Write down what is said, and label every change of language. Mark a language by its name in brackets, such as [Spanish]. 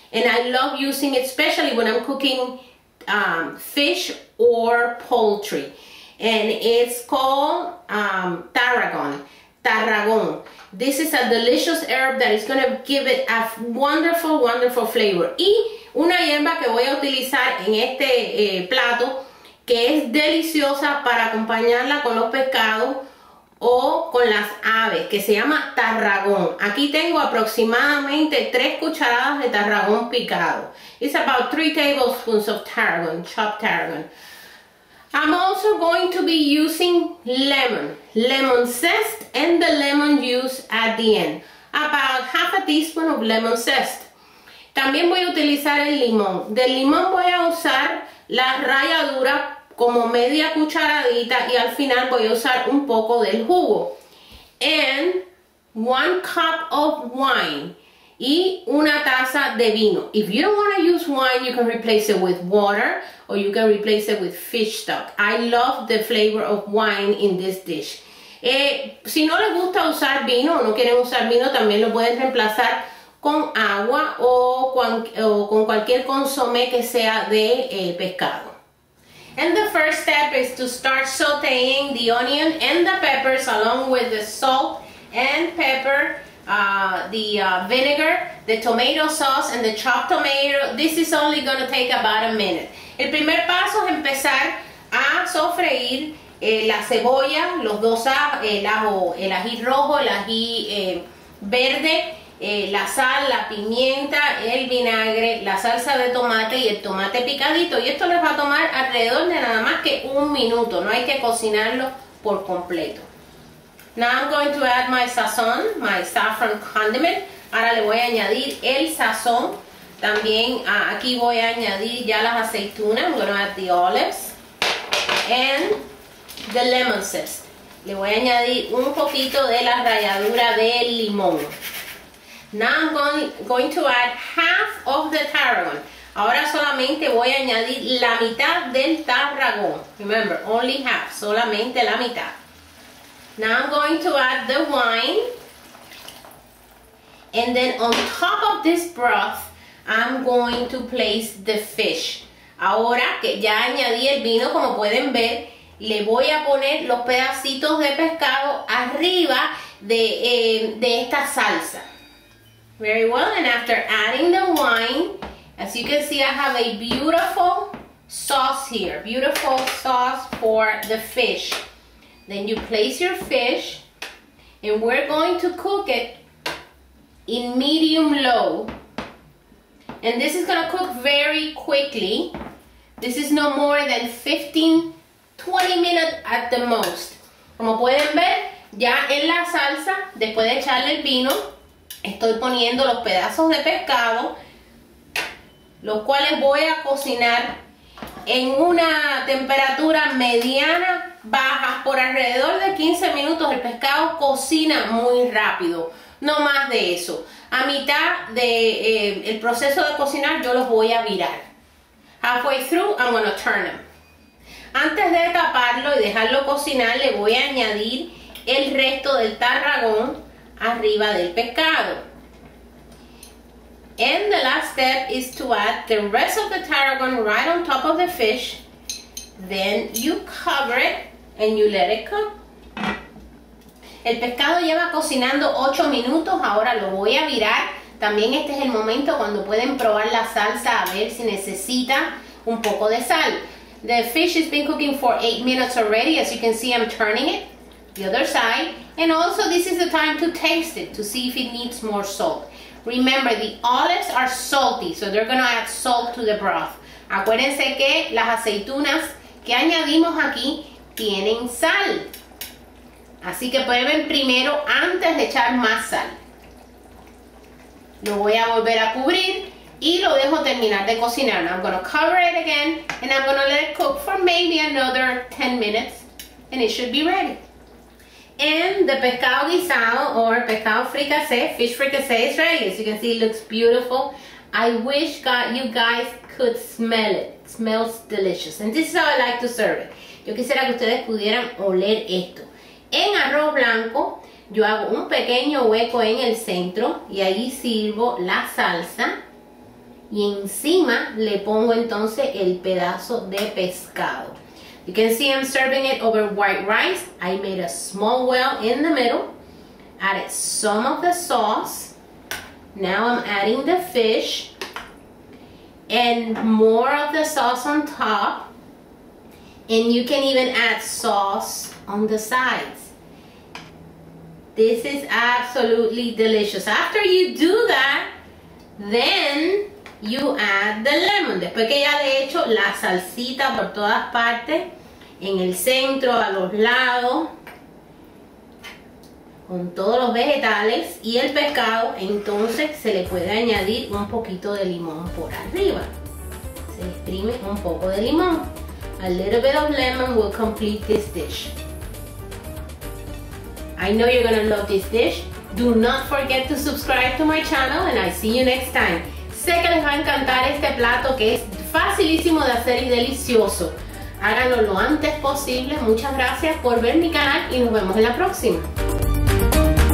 [English] And I love using it, especially when I'm cooking fish or poultry. And it's called tarragon. Tarragon. This is a delicious herb that is going to give it a wonderful, wonderful flavor. [Spanish] Y una hierba que voy a utilizar en este plato que es deliciosa para acompañarla con los pescados o con las aves, que se llama tarragón. Aquí tengo aproximadamente 3 cucharadas de tarragón picado. [English] It's about 3 tablespoons of tarragon, chopped tarragon. I'm also going to be using lemon, lemon zest, and the lemon juice at the end. About 1/2 teaspoon of lemon zest. [Spanish] También voy a utilizar el limón. Del limón voy a usar la ralladura como media cucharadita y al final voy a usar un poco del jugo. [English] And 1 cup of wine [Spanish] y 1 taza de vino. [English] If you don't want to use wine, you can replace it with water. Or you can replace it with fish stock. I love the flavor of wine in this dish. [Spanish] Si no les gusta usar vino o no quieren usar vino, también lo pueden reemplazar con agua o con cualquier consomé que sea de pescado. [English] And the first step is to start sauteing the onion and the peppers along with the salt and pepper. The vinegar, the tomato sauce, and the chopped tomato. This is only going to take about a minute. [Spanish] El primer paso es empezar a sofreír la cebolla, los dos ajos, el ají rojo, el ají verde, la sal, la pimienta, el vinagre, la salsa de tomate y el tomate picadito. Y esto les va a tomar alrededor de nada más que 1 minuto. No hay que cocinarlo por completo. [English] Now I'm going to add my sazón, my saffron condiment. [Spanish] Ahora le voy a añadir el sazón. También aquí voy a añadir ya las aceitunas. [English] I'm going to add the olives. And the lemon zest. [Spanish] Le voy a añadir un poquito de la ralladura del limón. [English] Now I'm going to add 1/2 of the tarragon. [Spanish] Ahora solamente voy a añadir la mitad del tarragón. [English] Remember, only 1/2, [Spanish] solamente la mitad. [English] Now I'm going to add the wine, and then on top of this broth, I'm going to place the fish. [Spanish] Ahora que ya añadí el vino, como pueden ver, le voy a poner los pedacitos de pescado arriba de esta salsa. [English] Very well, and after adding the wine, as you can see, I have a beautiful sauce here, beautiful sauce for the fish. Then you place your fish, And we're going to cook it in medium low. And this is gonna cook very quickly. This is no more than 15-20 minutes at the most. [Spanish] Como pueden ver, ya en la salsa, después de echarle el vino, estoy poniendo los pedazos de pescado, los cuales voy a cocinar en una temperatura mediana, baja, por alrededor de 15 minutos. El pescado cocina muy rápido, no más de eso. A mitad de el proceso de cocinar, yo los voy a virar. [English] Halfway through, I'm gonna turn them. [Spanish] Antes de taparlo y dejarlo cocinar, le voy a añadir el resto del tarragón arriba del pescado. [English] And the last step is to add the rest of the tarragon right on top of the fish. Then you cover it and you let it cook. [Spanish] El pescado lleva cocinando 8 minutos, ahora lo voy a virar. También este es el momento cuando pueden probar la salsa a ver si necesita un poco de sal. [English] The fish has been cooking for 8 minutes already. As you can see, I'm turning it the other side. And also, this is the time to taste it to see if it needs more salt. Remember, the olives are salty, so they're gonna add salt to the broth. [Spanish] Acuérdense que las aceitunas que añadimos aquí tienen sal. Así que prueben primero antes de echar más sal. Lo voy a volver a cubrir y lo dejo terminar de cocinar. [English] Now I'm gonna cover it again and I'm gonna let it cook for maybe another 10 minutes and it should be ready. And the pescado guisado or pescado fricassé, fish fricassé is ready. As you can see, it looks beautiful. I wish God you guys could smell it. It smells delicious. And this is how I like to serve it. [Spanish] Yo quisiera que ustedes pudieran oler esto. En arroz blanco, yo hago un pequeño hueco en el centro y ahí sirvo la salsa. Y encima le pongo entonces el pedazo de pescado. [English] You can see I'm serving it over white rice. I made a small well in the middle. Added some of the sauce. Now I'm adding the fish. And more of the sauce on top. And you can even add sauce on the sides. This is absolutely delicious. After you do that, then you add the lemon. [Spanish] Después que ya le he hecho la salsita por todas partes, en el centro, a los lados, con todos los vegetales y el pescado, entonces se le puede añadir un poquito de limón por arriba. Se le exprime un poco de limón. [English] A little bit of lemon will complete this dish. I know you're gonna love this dish. Do not forget to subscribe to my channel and I see you next time. [Spanish] Sé que les va a encantar este plato que es facilísimo de hacer y delicioso. Háganlo lo antes posible. Muchas gracias por ver mi canal y nos vemos en la próxima.